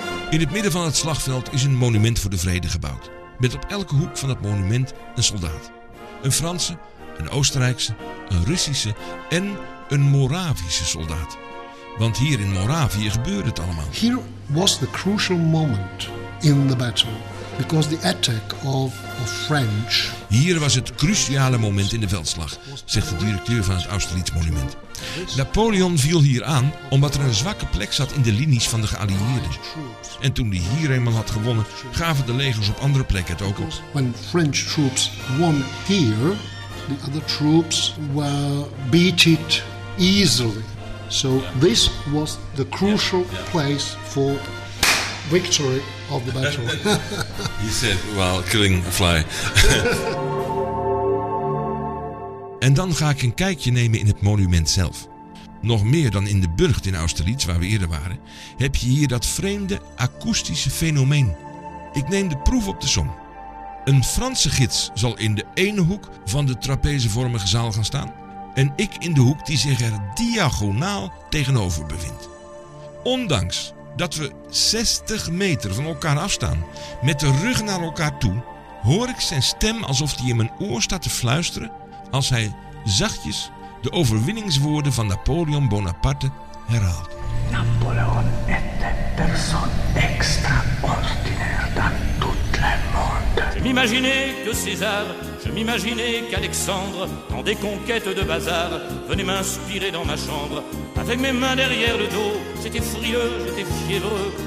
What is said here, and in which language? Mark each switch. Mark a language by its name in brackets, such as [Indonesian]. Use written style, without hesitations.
[Dutch] In het midden van het slagveld is een monument voor de vrede gebouwd. Met op elke hoek van het monument een soldaat. Een Franse, een Oostenrijkse, een Russische en een Moravische soldaat. Want hier in Moravië gebeurde het allemaal. Hier was [English] the crucial moment in the battle. Because the attack of a French. [Dutch] Hier was het cruciale moment in de veldslag, zegt de directeur van het Austerlitz monument. Napoleon viel hier aan omdat er een zwakke plek zat in de linies van de geallieerden. En toen hij hier eenmaal had gewonnen, gaven de legers op andere plekken het ook op. [English] When French troops won here, the other troops were beat it easily. So this was the crucial place for victory of the battle. He said, while killing a fly. [Dutch] En dan ga ik een kijkje nemen in het monument zelf. Nog meer dan in de burcht in Austerlitz, waar we eerder waren, heb je hier dat vreemde akoestische fenomeen. Ik neem de proef op de som. Een Franse gids zal in de ene hoek van de trapezevormige zaal gaan staan en ik in de hoek die zich er diagonaal tegenover bevindt. Ondanks dat we 60 meter van elkaar afstaan, met de rug naar elkaar toe, hoor ik zijn stem alsof hij in mijn oor staat te fluisteren als hij zachtjes de overwinningswoorden van Napoleon Bonaparte herhaalt. [French] Napoleon est une personne extraordinaire dans tout le monde. Je m'imaginais que César, je m'imaginais qu'Alexandre, dans des conquêtes de bazar, venait m'inspirer dans ma chambre. Avec mes mains derrière le dos, j'étais furieux, j'étais fiévreux.